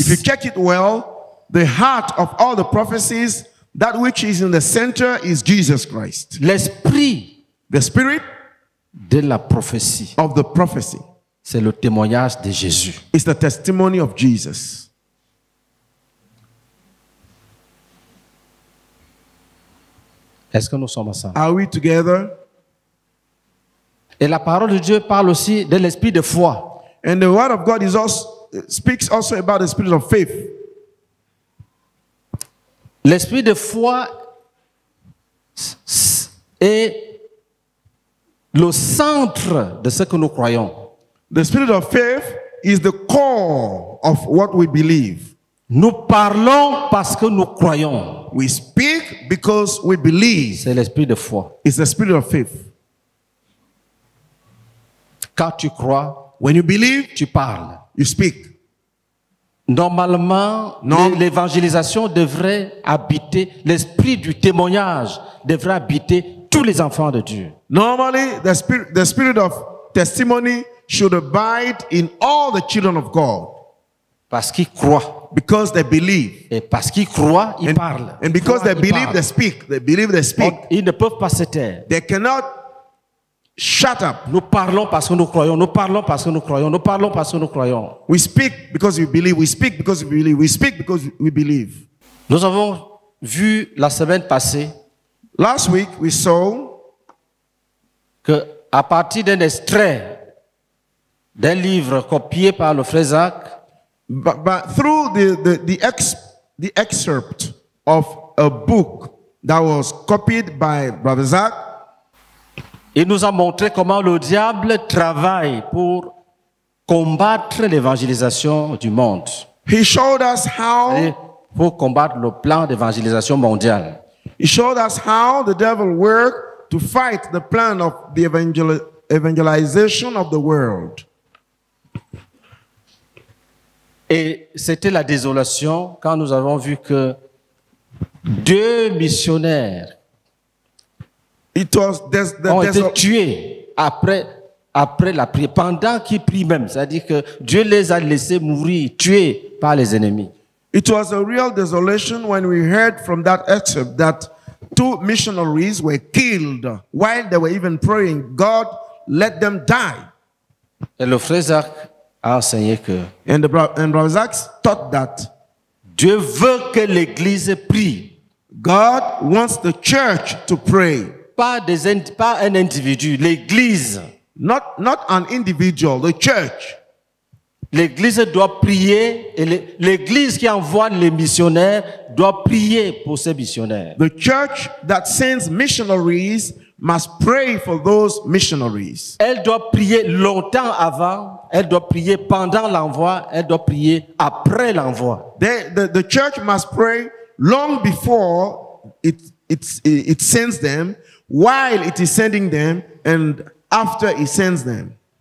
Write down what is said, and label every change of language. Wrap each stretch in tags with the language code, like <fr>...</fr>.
<en>If you check it well, the heart of all the prophecies, that which is in the center is Jesus Christ.</en> <fr>L'esprit,</fr> <en>the spirit</en> <fr>de la prophétie,</fr> <en>of the prophecy,</en> <fr>c'est le témoignage de Jésus.</fr> <en>It's the testimony of Jesus.</en> <fr>Est-ce que nous sommes ensemble?</fr> <en>Are we together?</en> <fr>Et la parole de Dieu parle aussi de l'esprit de foi.</fr> <en>And the word of God is also speaks also about the spirit of faith.</en> <fr>L'esprit de foi est le centre de ce que nous croyons.</fr> <en>The spirit of faith is the core of what we believe.</en> <fr>Nous parlons parce que nous croyons.</fr> <en>We speak because we believe.</en> <fr>C'est l'esprit de foi.</fr> <en>It's the spirit of faith.</en> <fr>Quand tu crois,</fr> <en>when you believe,</en> <fr>tu parles.</fr> <en>You speak.</en> <fr>Normalement, l'évangélisation devrait habiter, l'esprit du témoignage devrait habiter tous les enfants de Dieu.</fr> <en>Normally, the spirit of testimony should abide in all the children of God.</en> <fr>Parce qu'ils croient.</fr> <en>Because they believe.</en> <fr>Et parce qu'ils croient, ils parlent.</fr> <en>And because they believe, they speak. They believe, they speak.</en> <fr>Ils ne peuvent pas se taire.</fr> <en>They cannot shut up.</en> <fr>Nous parlons parce que nous croyons. Nous parlons parce que nous croyons. Nous parlons parce que nous croyons.</fr> <en>We speak because we believe. We speak because we believe. We speak because we believe.</en> <fr>Nous avons vu la semaine passée.</fr> <en>Last week we saw</en> <fr>que à partir d'un extrait d'un livre copié par le frère Zach,</fr> <en>but through the excerpt of a book that was copied by Brother Zach,</en> <fr>il nous a montré comment le diable travaille pour combattre l'évangélisation du monde.</fr> <en>He showed us how,</en> <fr>pour combattre le plan d'évangélisation mondiale.</fr> <en>He showed us how the devil worked to fight the plan of the evangelization of the world.</en> <fr>Et c'était la désolation quand nous avons vu que deux missionnaires ont été tués après la prière, pendant qu'ils prient même. C'est-à-dire que Dieu les a laissés mourir, tués par les ennemis.</fr> <en>It was a real desolation when we heard from that excerpt that two missionaries were killed while they were even praying. God let them die.</en> <fr>Et le frère Zach a enseigné que</fr> <en>and Brother Zach taught that</en> <fr>Dieu veut que l'église prie.</fr> <en>God wants the church to pray.</en> <fr>Pas un individu, l'église.</fr> <en>Not an individual, the church.</en> <fr>L'église doit prier et l'église qui envoie les missionnaires doit prier pour ces missionnaires.</fr> <en>The church that sends missionaries must pray for those missionaries.</en> <fr>Elle doit prier longtemps avant, elle doit prier pendant l'envoi, elle doit prier après l'envoi.</fr> <en>The church must pray long before it sends them, while it is sending them, and after it sends them.</en>